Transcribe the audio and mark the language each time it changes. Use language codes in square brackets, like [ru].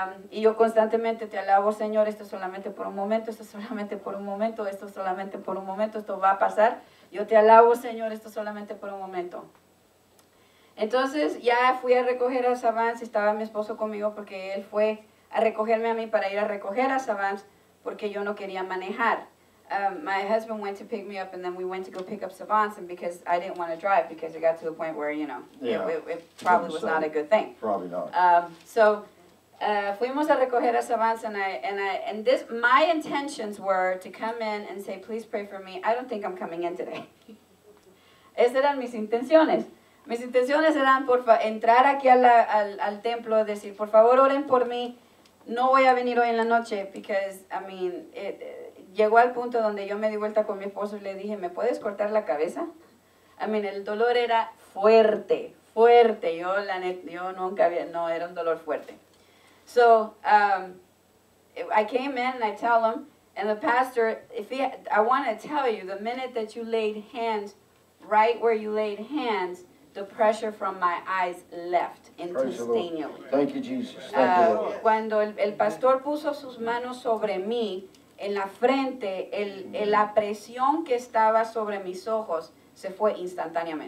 [es] Y yo constantemente te alabo, Señor, esto es solamente por un momento, esto es solamente por un momento, esto es solamente por un momento, esto va a pasar. Yo te alabo, Señor, esto es solamente por un momento. Entonces ya fui a recoger a Savance, estaba mi esposo conmigo porque él fue a recogerme a mí para ir a recoger a Savance porque yo no quería manejar. [en] My husband went to pick me up and then we went to go pick up Savance and because I didn't want to drive because it got to the point where, you know, it probably was not a good thing. Probably not. [es] Fuimos a recoger a Savance [en] and this my intentions were to come in and say, please pray for me. I don't think I'm coming in today. [es] Esas eran mis intenciones. Mis intenciones eran entrar aquí al templo, decir, por favor, oren por mí. No voy a venir hoy en la noche, [en] because, I mean, [es] llegó al punto donde yo me di vuelta con mi esposo y le dije, ¿me puedes cortar la cabeza? [en] I mean, [es] el dolor era fuerte, fuerte. Yo nunca había, era un dolor fuerte. [en] So, I came in and I tell him, and the pastor, I want to tell you, the minute that you laid hands, right where you laid hands, the pressure from my eyes left instantaneously. Thank you, Jesus. Thank you, Lord. [es] Cuando el pastor puso sus manos sobre mí, en la frente, la presión que estaba sobre mis ojos se fue instantáneamente.